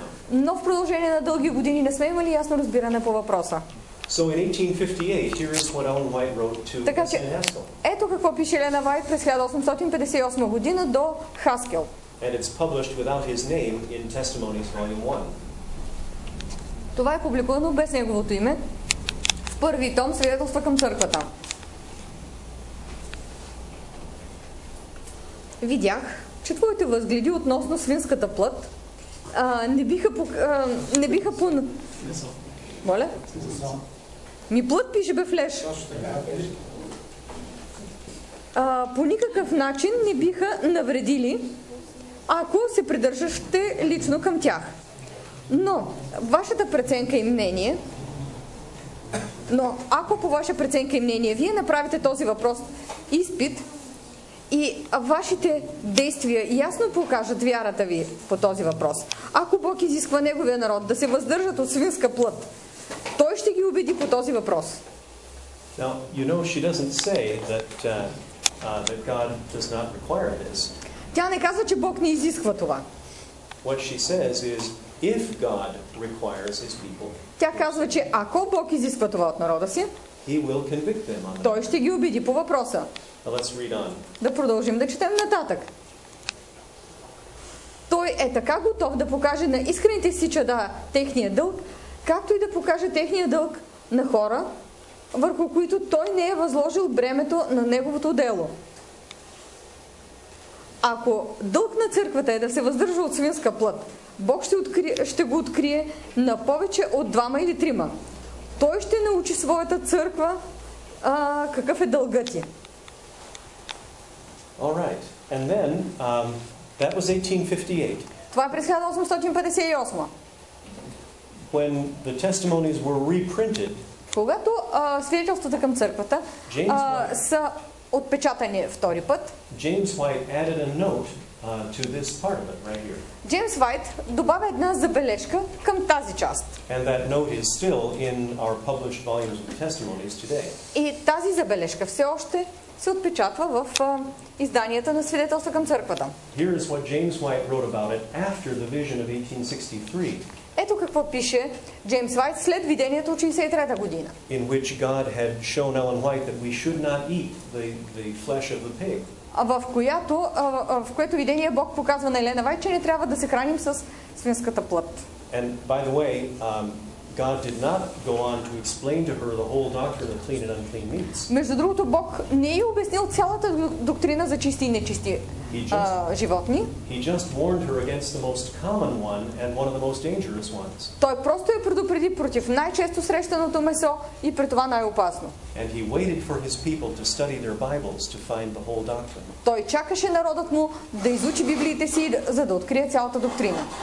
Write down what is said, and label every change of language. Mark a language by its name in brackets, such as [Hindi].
[Bulgarian] Но в продължение на дълги години не сме имали ясно разбиране по въпроса. [English] So in 1858, here is what Ellen White wrote to S.N. Haskell. [Bulgarian] Ето какво пише Елена Вайт през 1858 година до Хаскел. [English] And it's published without his name in Testimonies Volume 1. [Bulgarian] Това е публикувано без неговото име в първи том Свидетелства към църквата. Видях, че твоите възгледи относно свинската плът по никакъв начин не биха навредили, ако се придържахте лично към тях. Но вашата преценка и мнение, но ако по ваша преценка и мнение вие направите този въпрос изпит и вашите действия ясно покажат вярата ви по този въпрос, ако Бог изисква неговия народ да се въздържат от свинска плът, той ще ги убеди по този въпрос. [English] Now, you know, she doesn't say that God does not require this. [Bulgarian] Тя не казва, че Бог не изисква това. [English] What she says is, if God requires his people, [Bulgarian] тя казва, че ако Бог изисква това от народа си, [English] he will convict them on [Bulgarian] the той ще ги убеди по въпроса. [English] Now, let's read on. [Bulgarian] Да продължим да четем нататък. Той е така готов да покаже на искрените си чада техния дълг, както и да покаже техния дълг на хора, върху които той не е възложил бремето на неговото дело. Ако дълг на църквата е да се въздържа от свинска плът, Бог ще го открие на повече от двама или трима. Той ще научи своята църква какъв е дългът ѝ. [English] All right. And then, that was 1858. [Bulgarian] Това е през 1858. [English] When the testimonies were reprinted, [Bulgarian] когато свидетелствата към църквата са отпечатани втори път, [English] James White added a note to this part of it right here. [Bulgarian] James White добавя една забележка към тази част. [English] And that note is still in our published volumes of testimonies today. [Bulgarian] И тази забележка все още се отпечатва в изданията на свидетелства към църквата. [English] Here is what James White wrote about it after the vision of 1863. [Bulgarian] Ето какво пише Джеймс Уайт след видението от 63-та година. [English] In which God had shown Ellen White that we should not eat the flesh of the pig. [Bulgarian] В което видение Бог показва на Елена Уайт, че не трябва да се храним с свинската плът. [English] And by the way, God did not go on to explain to her the whole doctrine of clean and unclean meats. [Bulgarian] Между другото, Бог не е обяснил цялата доктрина за чисти и нечисти животни. [English] He just warned her against the most common one and one of the most dangerous ones. [Bulgarian] Той просто я предупреди против най-често срещаното месо и при това най-опасно. [English] And he waited for his people to study their Bibles to find the whole doctrine. [Bulgarian] Той чакаше народът му да изучи библиите си, за да открие цялата доктрина.